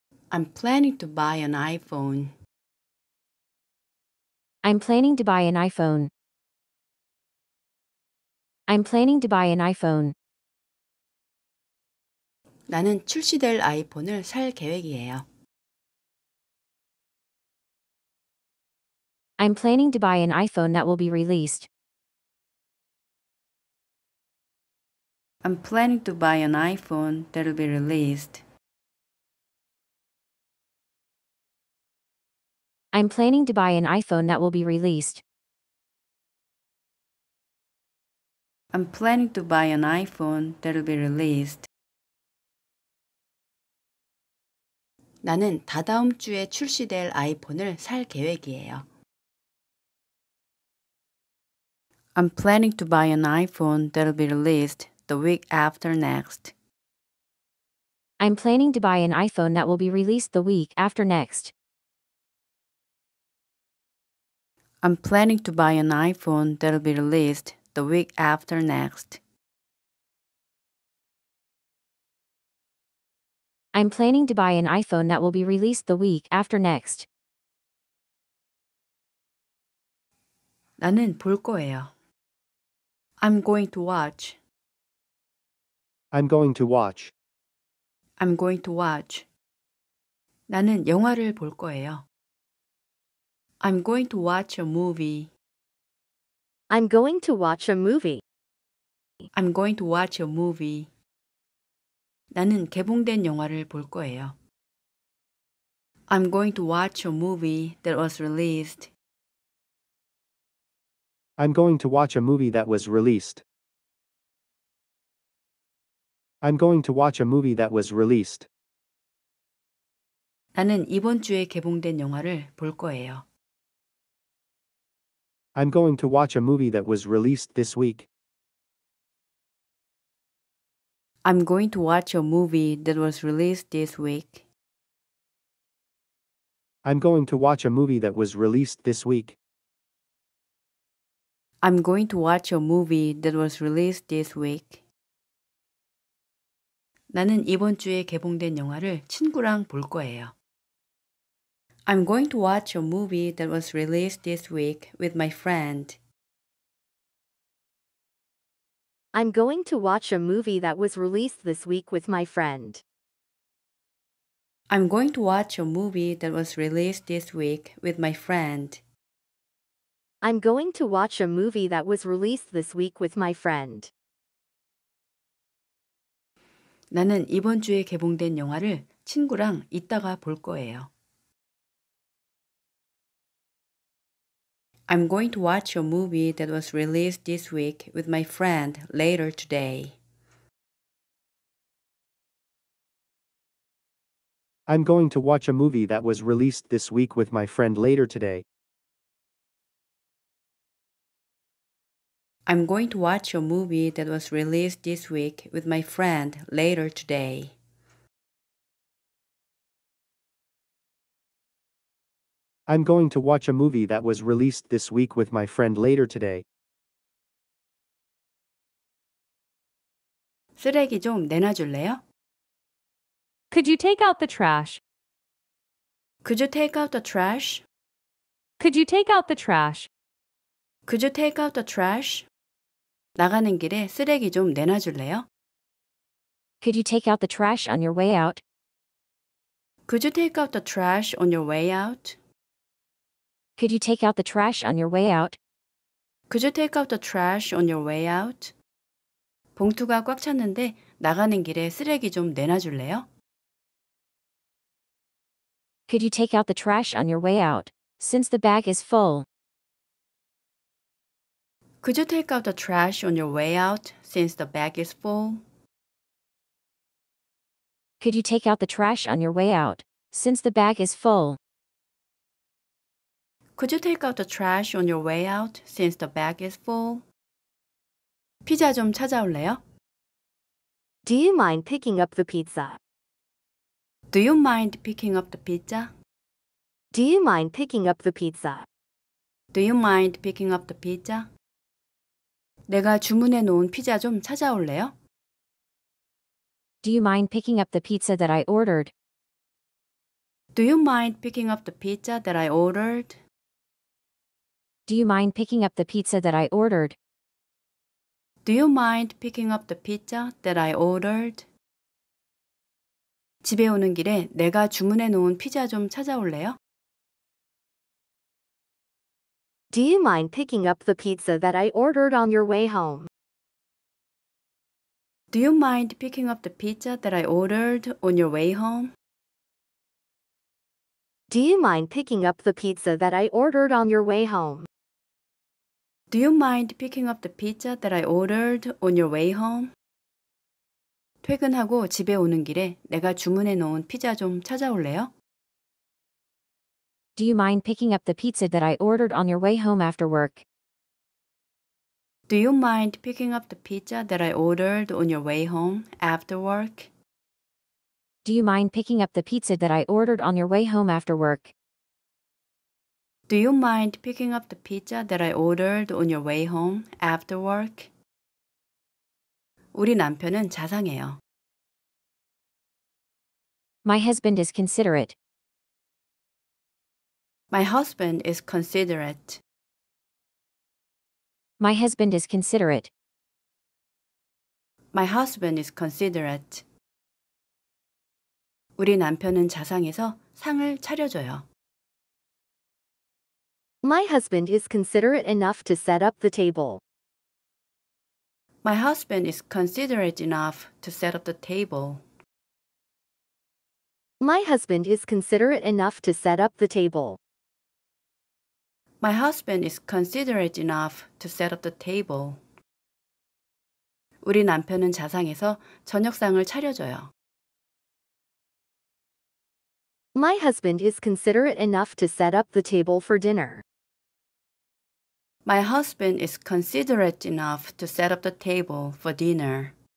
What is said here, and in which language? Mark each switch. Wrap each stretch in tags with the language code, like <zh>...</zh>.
<en>I'm planning to buy an iPhone. I'm planning to buy an iPhone. I'm planning to buy an iPhone.</en> <ko>나는 출시될 아이폰을 살 계획이에요.</ko> <en>I'm planning to buy an iPhone that will be released. I'm planning to buy an iPhone that will be released. I'm planning to buy an iPhone that will be released. I'm planning to buy an iPhone that will be released.</en> <ko>나는 다다음 주에 출시될 아이폰을 살 계획이에요.</ko> <en>I'm planning to buy an iPhone that'll be released the week after next. I'm planning to buy an iPhone that will be released the week after next. I'm planning to buy an iPhone that'll be released the week after next. I'm planning to buy an iPhone that will be released the week after next.</en> <ko>나는 볼 거예요.</ko> <en>I'm going to watch. I'm going to watch. I'm going to watch.</en> <ko>나는 영화를 볼 거예요.</ko> <en>I'm going to watch a movie. I'm going to watch a movie. I'm going to watch a movie.</en> <ko>나는 개봉된 영화를 볼 거예요.</ko> <en>I'm going to watch a movie that was released. I'm going to watch a movie that was released. I'm going to watch a movie that was released.</en> <ko>나는 이번 주에 개봉된 영화를 볼 거예요.</ko> <en>I'm going to watch a movie that was released this week. I'm going to watch a movie that was released this week. I'm going to watch a movie that was released this week. I'm going to watch a movie that was released this week.</en> <ko>나는 이번 주에 개봉된 영화를 친구랑 볼 거예요.</ko> <en>I'm going to watch a movie that was released this week with my friend. I'm going to watch a movie that was released this week with my friend. I'm going to watch a movie that was released this week with my friend. I'm going to watch a movie that was released this week with my friend.</en> <ko>나는 이번 주에 개봉된 영화를 친구랑 이따가 볼 거예요.</ko> <en>I'm going to watch a movie that was released this week with my friend later today. I'm going to watch a movie that was released this week with my friend later today. I'm going to watch a movie that was released this week with my friend later today. I'm going to watch a movie that was released this week with my friend later today.</en> <ko>쓰레기 좀 내놔줄래요?</ko> <en>Could you take out the trash? Could you take out the trash? Could you take out the trash? Could you take out the trash?</en> <ko>나가는 길에 쓰레기 좀 내놔줄래요?</ko> <en>Could you take out the trash on your way out? Could you take out the trash on your way out? Could you take out the trash on your way out? Could you take out the trash on your way out?</en> <ko>봉투가 꽉 찼는데 나가는 길에 쓰레기 좀 내놔줄래요?</ko> <en>Could you take out the trash on your way out, since the bag is full? Could you take out the trash on your way out, since the bag is full? Could you take out the trash on your way out, since the bag is full? Could you take out the trash on your way out, since the bag is full?</en> <ko>피자 좀 찾아올래요?</ko> <en>Do you mind picking up the pizza? Do you mind picking up the pizza? Do you mind picking up the pizza? Do you mind picking up the pizza?</en> <ko>내가 주문해 놓은 피자 좀 찾아올래요?</ko> <en>Do you mind picking up the pizza that I ordered? Do you mind picking up the pizza that I ordered? Do you mind picking up the pizza that I ordered? Do you mind picking up the pizza that I ordered?</en> <ko>집에 오는 길에 내가 주문해 놓은 피자 좀 찾아올래요?</ko> <en>Do you mind picking up the pizza that I ordered on your way home? Do you mind picking up the pizza that I ordered on your way home? Do you mind picking up the pizza that I ordered on your way home? Do you mind picking up the pizza that I ordered on your way home?</en> <ko>퇴근하고 집에 오는 길에 내가 주문해 놓은 피자 좀 찾아올래요?</ko> <en>Do you mind picking up the pizza that I ordered on your way home after work? Do you mind picking up the pizza that I ordered on your way home after work? Do you mind picking up the pizza that I ordered on your way home after work? Do you mind picking up the pizza that I ordered on your way home after work?</en> <ko>우리 남편은 자상해요.</ko> <en>My husband is considerate. My husband is considerate. My husband is considerate. My husband is considerate.</en> <ko>우리 남편은 자상해서 상을 차려줘요.</ko> <en>My husband is considerate enough to set up the table. My husband is considerate enough to set up the table. My husband is considerate enough to set up the table. My husband is considerate enough to set up the table.</en> <ko>우리 남편은 자상해서 저녁상을 차려줘요.</ko> <en>My husband is considerate enough to set up the table for dinner. My husband is considerate enough to set up the table for dinner.</en>